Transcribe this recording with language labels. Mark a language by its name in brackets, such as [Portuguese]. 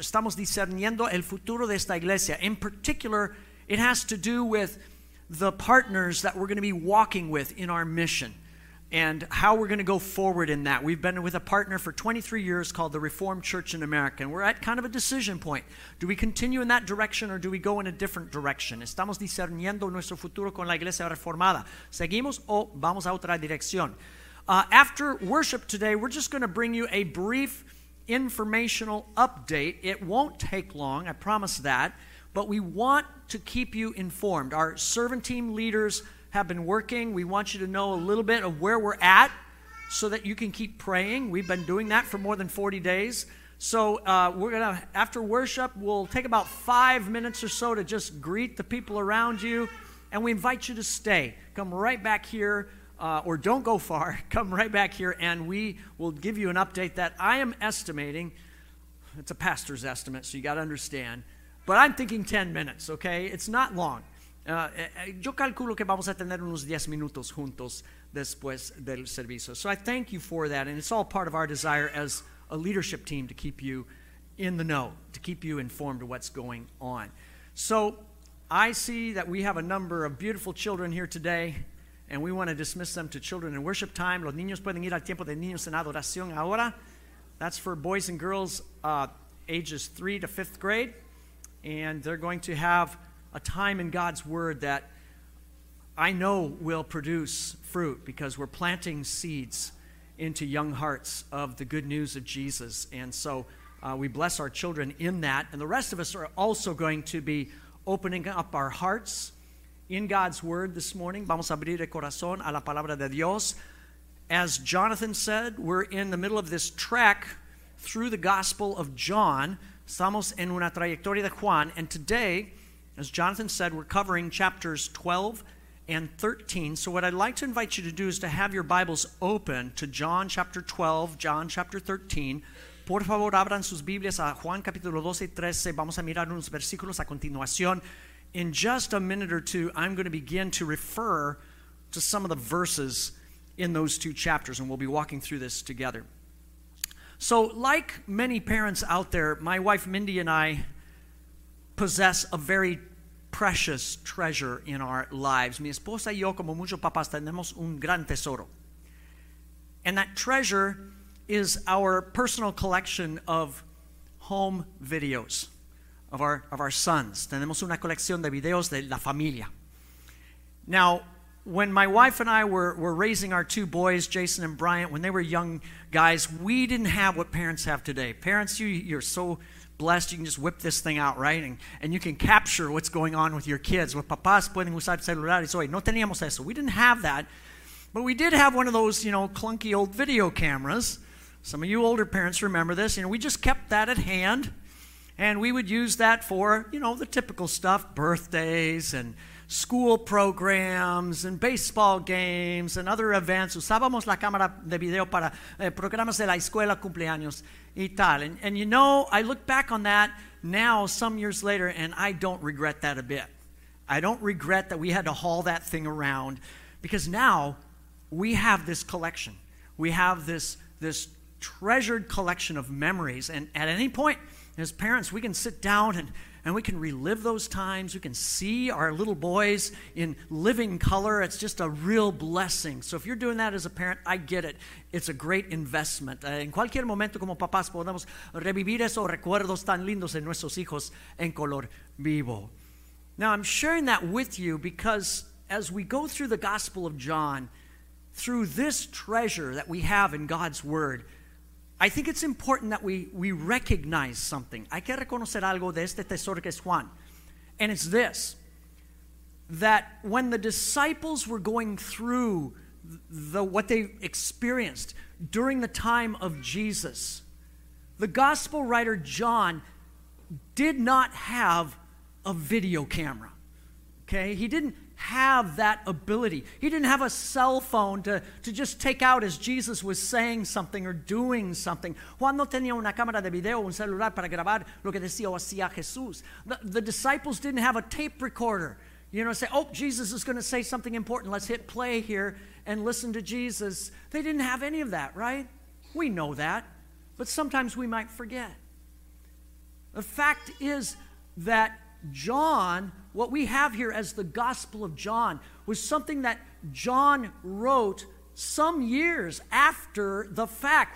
[Spanish] Estamos discerniendo el futuro de esta iglesia. [English] In particular, it has to do with the partners that we're going to be walking with in our mission and how we're going to go forward in that. We've been with a partner for 23 years called the Reformed Church in America, and we're at kind of a decision point. Do we continue in that direction or do we go in a different direction? [Spanish] Estamos discerniendo nuestro futuro con la iglesia reformada. ¿Seguimos o vamos a otra dirección? [English] After worship today, we're just going to bring you a brief informational update. It won't take long, I promise that, but we want to keep you informed. Our servant team leaders have been working. We want you to know a little bit of where we're at so that you can keep praying. We've been doing that for more than 40 days. So we're going to, after worship, we'll take about 5 minutes or so to just greet the people around you. And we invite you to stay. Come right back here, or don't go far. Come right back here, and we will give you an update that I am estimating. It's a pastor's estimate, so you got to understand. But I'm thinking 10 minutes, okay? It's not long. [Spanish] Yo calculo que vamos a tener unos 10 minutos juntos después del servicio. [English] So I thank you for that, and it's all part of our desire as a leadership team to keep you in the know, to keep you informed of what's going on. So I see that we have a number of beautiful children here today, and we want to dismiss them to children in worship time. [Spanish] Los niños pueden ir al tiempo de niños en adoración ahora. [English] That's for boys and girls ages 3 to 5th grade. And they're going to have a time in God's Word that I know will produce fruit, because we're planting seeds into young hearts of the good news of Jesus. And so we bless our children in that. And the rest of us are also going to be opening up our hearts in God's Word this morning. [Spanish] Vamos a abrir el corazón a la palabra de Dios. [English] As Jonathan said, we're in the middle of this trek through the Gospel of John. [Spanish] Estamos en una trayectoria de Juan, [English] and today, as Jonathan said, we're covering chapters 12 and 13. So what I'd like to invite you to do is to have your Bibles open to John chapter 12, John chapter 13. [Spanish] Por favor, abran sus Biblias a Juan capítulo 12 y 13. Vamos a mirar unos versículos a continuación. [English] In just a minute or two, I'm going to begin to refer to some of the verses in those two chapters, and we'll be walking through this together. So, like many parents out there, my wife Mindy and I possess a very precious treasure in our lives. [Spanish] Mi esposa y yo, como muchos papás, tenemos un gran tesoro. [English] And that treasure is our personal collection of home videos of our sons. [Spanish] Tenemos una colección de videos de la familia. [English] Now, when my wife and I were raising our two boys, Jason and Bryant, when they were young guys, we didn't have what parents have today. Parents, you're so blessed, you can just whip this thing out, right? And you can capture what's going on with your kids. [Spanish] Los papás pueden usar celulares hoy. No teníamos eso. [English] We didn't have that. But we did have one of those, you know, clunky old video cameras. Some of you older parents remember this. You know, we just kept that at hand. And we would use that for, you know, the typical stuff, birthdays and school programs and baseball games and other events. Usábamos la cámara de video para programas de la escuela, cumpleaños y tal. And you know, I look back on that now some years later, and I don't regret that a bit. I don't regret that we had to haul that thing around, because now we have this collection. We have this treasured collection of memories. And at any point, as parents, we can sit down and we can relive those times. We can see our little boys in living color. It's just a real blessing. So if you're doing that as a parent, I get it. It's a great investment. [Spanish] En cualquier momento, como papás, podemos revivir esos recuerdos tan lindos en nuestros hijos en color vivo. [English] Now, I'm sharing that with you because as we go through the Gospel of John, through this treasure that we have in God's Word, I think it's important that we recognize something. [Spanish] Hay que reconocer algo de este tesoro que es Juan. [English] And it's this, that when the disciples were going through what they experienced during the time of Jesus, the gospel writer John did not have a video camera. Okay? He didn't have that ability. He didn't have a cell phone to just take out as Jesus was saying something or doing something. [Spanish] Juan no tenía una cámara de video, un celular para grabar lo que decía o hacía Jesús. [English] The disciples didn't have a tape recorder. You know, say, oh, Jesus is going to say something important. Let's hit play here and listen to Jesus. They didn't have any of that, right? We know that. But sometimes we might forget. The fact is that John, what we have here as the Gospel of John, was something that John wrote some years after the fact.